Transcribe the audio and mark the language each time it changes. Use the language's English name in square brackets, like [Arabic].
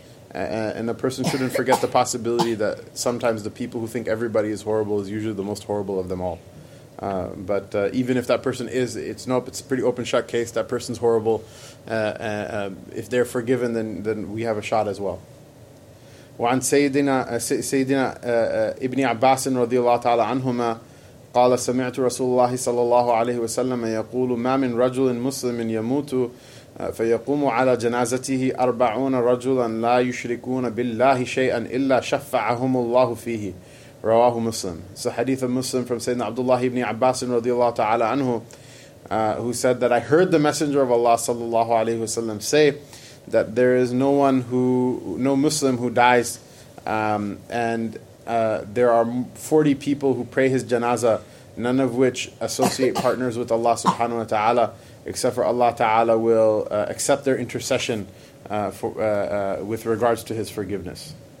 [English] And a person shouldn't forget the possibility that sometimes the people who think everybody is horrible is usually the most horrible of them all. But even if that person is, it's a pretty open shut case, that person's horrible. If they're forgiven, then we have a shot as well. [Arabic] وعن سيدنا ابن عباس رضي الله تعالى عنهما قال سمعت رسول الله صلى الله عليه وسلم يقول ما من رجل مسلم يموت فيقوم على جنازته 40 رجلا لا يشركون بالله شيئا إلا شفعهم الله فيه رواه مسلم. [English] So hadith of Muslim from Sayyidina Abdullah ibn Abbas [Arabic] رضي الله تعالى عنه, [English] who said that I heard the Messenger of Allah [Arabic] صلى الله عليه وسلم [English] say that there is no Muslim who dies there are 40 people who pray his janazah, none of which associate partners with Allah subhanahu wa ta'ala, except for Allah Ta'ala will accept their intercession with regards to his forgiveness.